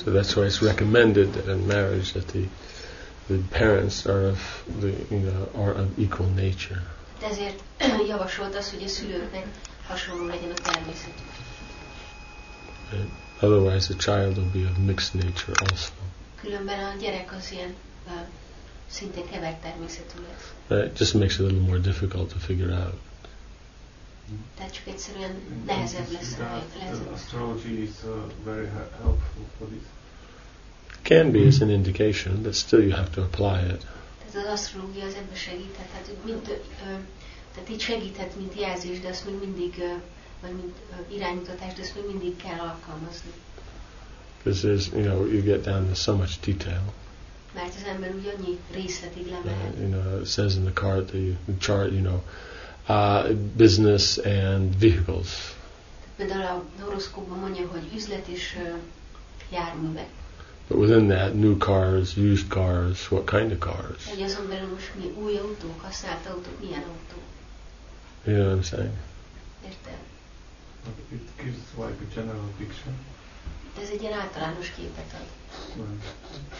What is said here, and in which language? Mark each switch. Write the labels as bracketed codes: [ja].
[en] So that's why it's recommended that in marriage that the parents are of the, you know, are of equal nature. [hu] De ezért javasolt az, hogy a szülőknek hasonló legyen a természetük. [en] Otherwise the child will be of mixed nature also. [hu] Különben a gyerek az ilyen szinte kevert természetű lesz. [en] It just makes it a little more difficult to figure out. [hu] Tehát csak egyszerűen nehezebb lesz. [en] Astrology is very helpful for this. Can be as an indication, but still you have to apply it. [hu] Tehát az asztrológia az ebben segített, tehát, mint, tehát így segített, mint jelzés, de azt még mindig, vagy mint iránymutatás, de azt még mindig kell alkalmazni. [en] This is, you know, you get down to so much detail. [hu] Mert az ember úgy annyi részletig lemehet. [en] You know, it says in the card, the chart, you know, business and vehicles. [hu] Például a horoszkópban mondja, hogy üzlet és járművek. [en] But within that, new cars, used cars, what kind of cars? [hu] Egy azon belül most mi új autók, használt autók, milyen autó? [en] You know what I'm saying? [hu] Értem. [en] It gives like a general picture. [hu] Ez egy ilyen általános képet ad.